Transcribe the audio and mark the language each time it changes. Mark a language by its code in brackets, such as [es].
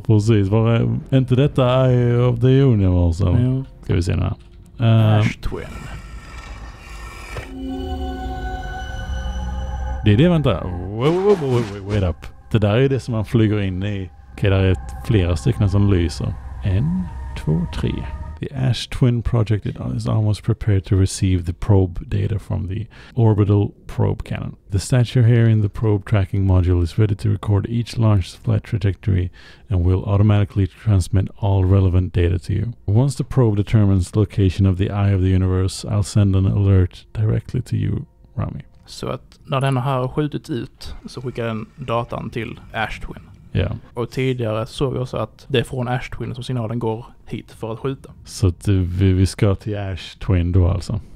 [sv] Precis, var det, inte detta Eye of the Universe? Ja. Ska vi se nu här. Ash-twin. Det är det, vänta. [en] Wait up. [sv] Det där är det som man flyger in i. Okej, där är flera stycken som lyser. En, två, tre. [en] The Ash Twin Project is almost prepared to receive the probe data from the orbital probe cannon. The statue here in the probe tracking module is ready to record each launch flight trajectory and will automatically transmit all relevant data to you. Once the probe determines the location of the Eye of the Universe, I'll send an alert directly to you, Rami. [sv] Så att när den här har skjutit ut så skickar den datan till Ash Twin. [en] Yeah. [sv] Och tidigare såg vi också att det är från Ash Twin som signalen går hit för att skjuta. Så det, vi ska till Ash Twin då alltså.